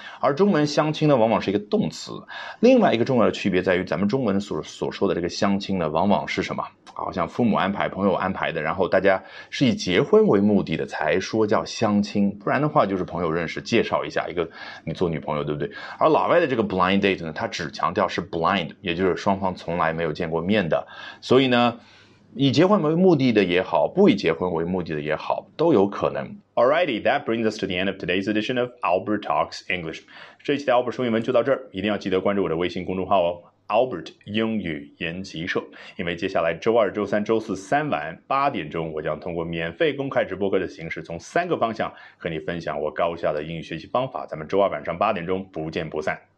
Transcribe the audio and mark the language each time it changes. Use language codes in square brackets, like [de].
[zh] 而中文相亲呢往往是一个动词。另外一个重要的区别在于，咱们中文所说的这个相亲呢往往是什么，好像父母安排朋友安排的，然后大家是以结婚为目的的才说叫相亲，不然的话就是朋友认识介绍一下一个你做女朋友朋友，对不对？而老外的这个 blind date 呢，他只强调是 blind， 也就是双方从来没有见过面的。所以呢，以结婚为目的的也好，不以结婚为目的的也好，都有可能。 [en] Alrighty, that brings us to the end of today's edition of Albert Talks English. [zh] 这期的 Albert 说英文就到这儿，一定要记得关注我的微信公众号哦。 Albert 英语研习社，因为接下来周二周三周四三晚八点钟，我将通过免费公开直播课的形式，从三个方向和你分享我高效的英语学习方法。咱们周二晚上八点钟不见不散。